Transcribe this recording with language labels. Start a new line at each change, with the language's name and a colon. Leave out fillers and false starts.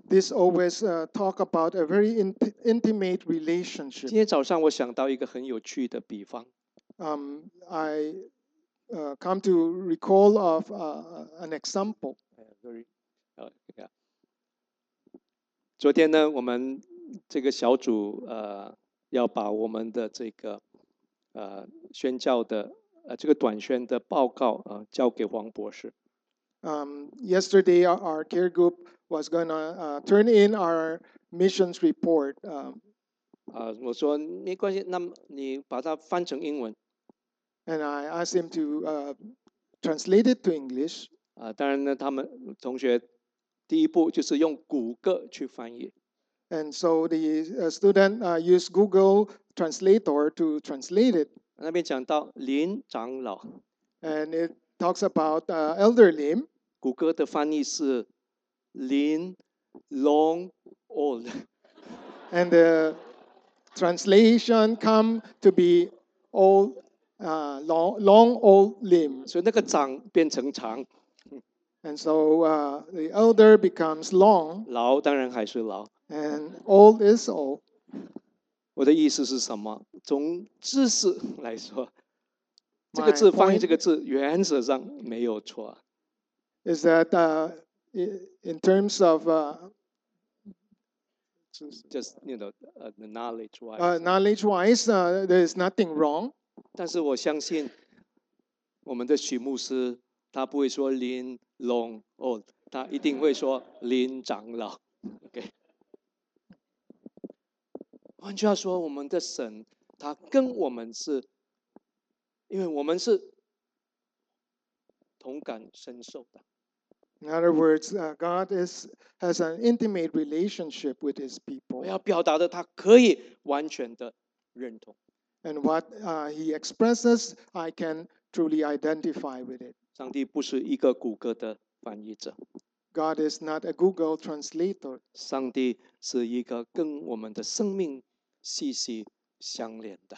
English: This always talk about a very intimate relationship.
Chinese: 今天早上我想到一个很有趣的比方。
English: I come to recall of an example. Yeah.
Chinese: 昨天呢，我们这个小组要把我们的这个宣教的这个短宣的报告交给黄博士。
English: Yesterday, our care group was going to turn in our missions report.
Chinese: 我说没关系，那么你把它翻成英文。
English: And I asked him to translate it to English.
Chinese: 当然呢，他们同学第一步就是用谷歌去翻译。
English: And so the student used Google Translator to translate it.
Chinese: 那边讲到林长老。
English: And it talks about Elder Lim.
Chinese: 谷歌的翻译是
English: Lean, Long, Old. And the translation come to be old, long, old limb.
Chinese: 所以那个长变成长。
English: And so the elder becomes long.
Chinese: 老当然还是老。
English: And old is old.
Chinese: 我的意思是什么？从知识来说，这个字翻译这个字原则上没有错。
English: Is that in terms of just you know knowledge wise? Knowledge wise, there is nothing wrong.
Chinese: 但是我相信我们的许牧师他不会说
English: lean long old，
Chinese: 他一定会说 lean 长老。
English: Okay.
Chinese: 换句话说，我们的神他跟我们是，因为我们是同感深受的。
English: In other words, God has an intimate relationship with His people.
Chinese: 要表达的，他可以完全的认同。
English: And what He expresses, I can truly identify with it.
Chinese: 上帝不是一个谷歌的翻译者。
English: God is not a Google translator.
Chinese: 上帝是一个跟我们的生命息息相连的。